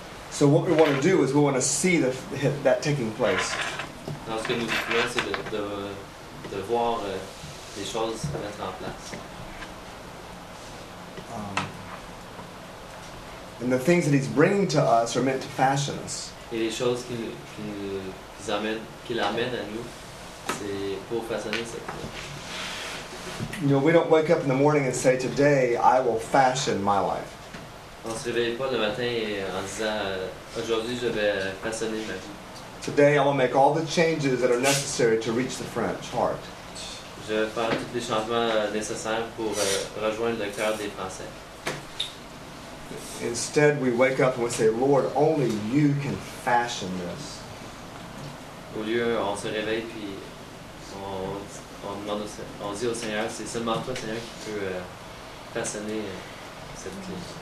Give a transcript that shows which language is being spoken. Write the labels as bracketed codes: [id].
[en] So what we want to do is we want to see that taking place. [fr] Ce que nous voulons, c'est de voir les choses mettre en place. [en] And the things that He's bringing to us are meant to fashion us. [fr] Et les choses qu'il amène à nous, c'est pour façonner ce que nous. [en] You know, we don't wake up in the morning and say, "Today I will fashion my life." [fr] On se réveille pas le matin en disant aujourd'hui je vais façonner ma vie. [en] Today I will make all the changes that are necessary to reach the French heart. [fr] Je vais faire tous les changements nécessaires pour rejoindre le cœur des Français. [en] Instead, we wake up and we say, "Lord, only You can fashion this." [fr] Au lieu, on se réveille puis on dit au Seigneur, c'est seulement toi, Seigneur, qui peut façonner cette clé.